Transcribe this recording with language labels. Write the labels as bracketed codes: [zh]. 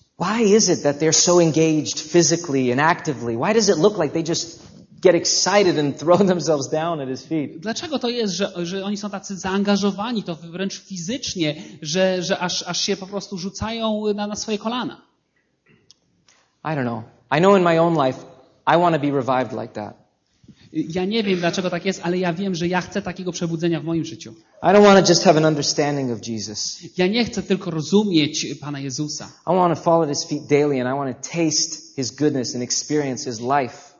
[en] Why is it that they're so engaged physically and actively? Why does it look like they just get excited and throw themselves down at his feet? [pl] Dlaczego to jest, że oni są tacy zaangażowani, to wręcz fizycznie, że aż się po prostu rzucają na swoje kolana? [en] I don't know. I know in my own life I want to be revived like that. [pl] Ja nie wiem, dlaczego tak jest, ale ja wiem, że ja chcę takiego przebudzenia w moim życiu. [en] I don't want to just have an understanding of Jesus. [pl] Ja nie chcę tylko rozumieć Pana Jezusa. [en] I want to fall at his feet daily and I want to taste his goodness and experience his life.